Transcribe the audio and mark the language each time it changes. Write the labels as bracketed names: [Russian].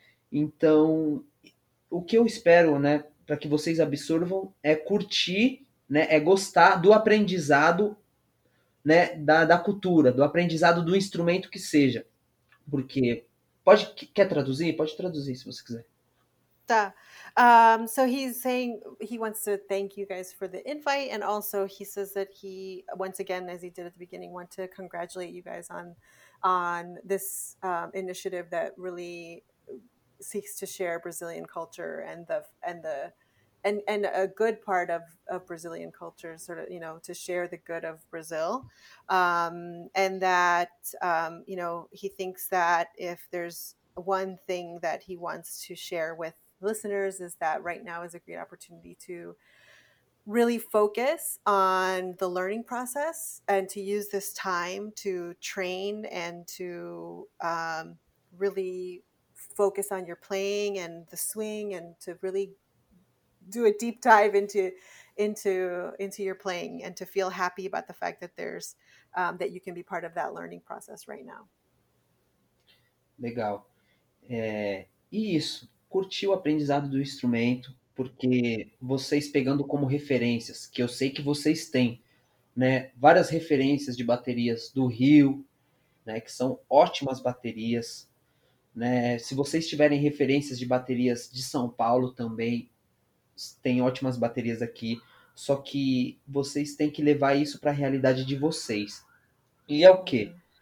[Portuguese] Então, o que eu espero, né, para que vocês absorvam é curtir, né, é gostar do aprendizado, né, da cultura, do aprendizado do instrumento que seja. Porque pode, quer traduzir? Pode traduzir se você quiser. Tá. [English] So he's saying he wants to thank you guys for the invite, and also he says that he once again, as he did at the beginning, want to congratulate you guys on this initiative that really seeks to share Brazilian culture and a good part of Brazilian culture, sort of, you know, to share the good of Brazil, and that you know, he thinks that if there's one thing that he wants to share with listeners is that right now is a great opportunity to really focus on the learning process and to use this time to train and to really focus on your playing and the swing and to really do a deep dive into your playing and to feel happy about the fact that there's that you can be part of that learning process right now. [Portuguese] Legal. Isso. Curtir o aprendizado do instrumento, porque vocês pegando como referências, que eu sei que vocês têm, né, várias referências de baterias do Rio, né, que são ótimas baterias, né, se vocês tiverem referências de baterias de São Paulo também, tem ótimas baterias aqui, só que vocês têm que levar isso para a realidade de vocês. E é o quê?